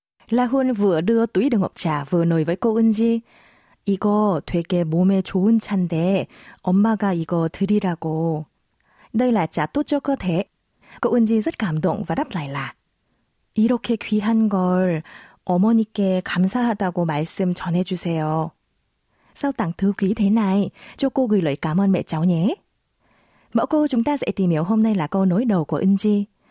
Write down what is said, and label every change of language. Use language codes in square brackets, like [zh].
[vi] La Hun vừa đưa túi đựng hộp trà vừa nói với cô Eun Ji. [ko] 이거 되게 몸에 좋은 차인데 엄마가 이거 드리라고. [vi] Đây là trà tốt cho cơ thể. Cô Eun Ji rất cảm động và đáp lại là [ko] 이렇게 귀한 걸 어머니께 감사하다고 말씀 전해주세요. [vi] Sao tặng thứ quý thế này? Cho cô gửi lời cảm ơn mẹ cháu nhé. Mẫu câu chúng ta sẽ tìm hiểu hôm nay là câu nối đầu của Eun Ji.